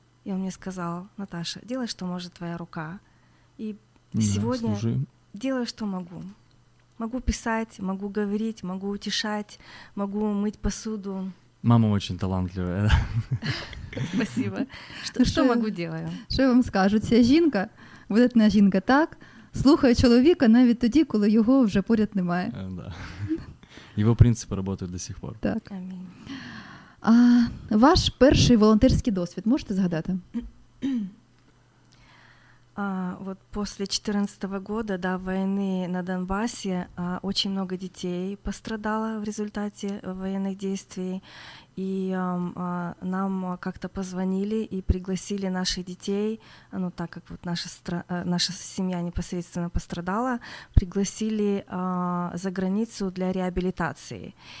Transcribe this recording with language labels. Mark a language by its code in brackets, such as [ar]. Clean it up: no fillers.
[ru] И он мне сказал: «Наташа, делай, что может твоя рука». И да, сегодня служи. Делаю, что могу. Могу писать, могу говорить, могу утешать, могу мыть посуду. Мама очень талантливая. Спасибо. Что могу делаю? Что я вам скажу? [uk] Ця жінка, видатна жінка, так, слухає чоловіка навіть тоді, коли його вже поряд немає. [ru] Да. Его принципы работают до сих пор. Так. Аминь. [uk] А ваш перший волонтерський досвід можете згадати? [ru] Вот после 14-го года, да, войны на Донбассе, очень много детей пострадало в результате военных действий. И нам как-то позвонили и пригласили наших детей, ну, так как вот наша семья непосредственно пострадала, пригласили за границу для реабилитации.